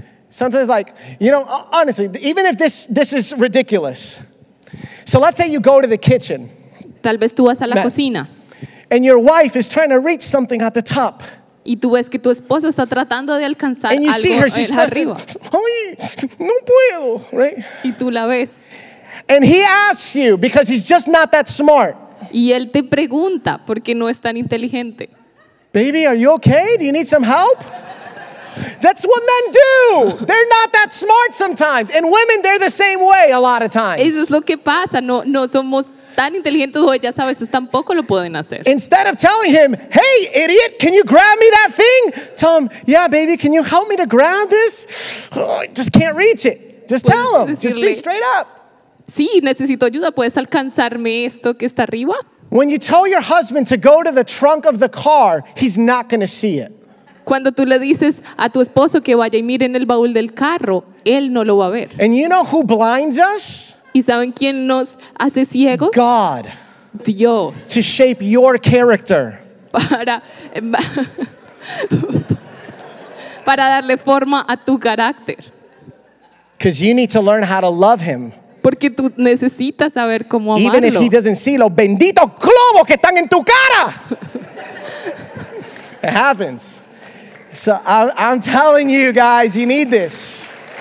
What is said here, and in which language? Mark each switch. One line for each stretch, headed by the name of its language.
English: Sometimes like, you know, honestly, even if this is ridiculous. So let's say you go to the kitchen.
Spanish: Tal vez tú vas a la cocina.
English: And your wife is trying to reach something at the top.
Spanish: Y tú ves que tu esposa está tratando de alcanzar algo.
English: And you see her, she's
Spanish: arriba. Ay, no puedo, right? Y tú la ves.
English: And he asks you because he's just not that smart.
Spanish: Y él te pregunta porque no es tan inteligente.
English: Baby, are you okay? Do you need some help? That's what men do. They're not that smart sometimes. And women, they're the same way a lot of times.
Spanish: Eso es lo que pasa. No somos tan inteligentes o ellas a veces tampoco lo pueden hacer.
English: Instead of telling him, hey, idiot, can you grab me that thing? Tell him, yeah, baby, can you help me to grab this? Oh, I just can't reach it. Just tell him.
Spanish: Decirle,
English: just be straight up.
Spanish: Sí, necesito ayuda. ¿Puedes alcanzarme esto que está arriba?
English: When you tell your husband to go to the trunk of the car, he's not going to see it.
Spanish: Cuando tú le dices a tu esposo que vaya y mire en el baúl del carro, él no lo va a ver.
English: And you know who blinds us?
Spanish: ¿Y saben quién nos hace ciegos?
English: God.
Spanish: Dios.
English: To shape your character.
Spanish: Para darle forma a tu carácter.
English: Because you need to learn how to love him.
Spanish: Porque tú necesitas saber cómo amarlo.
English: Even if he doesn't see
Spanish: los benditos globos que están en tu cara.
English: It happens. So I'm telling you guys, you need this.